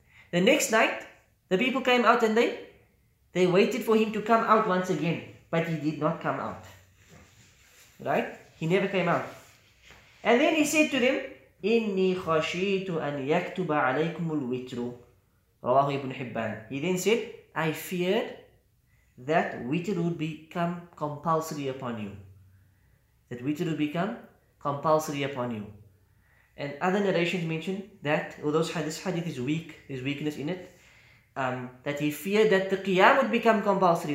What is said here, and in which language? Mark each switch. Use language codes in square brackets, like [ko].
[en] The next night, the people came out and they waited for him to come out once again. But he did not come out. Right? He never came out. And then he said to them, [ar] إني خشيت أن يكتب عليكم الوتر. رواه ابن حبان. [en] He then said, I feared that witr would become compulsory upon you. That witr would become compulsory upon you. And other narrations mention that, although this hadith is weak, there's weakness in it, that he feared that the qiyam would become compulsory.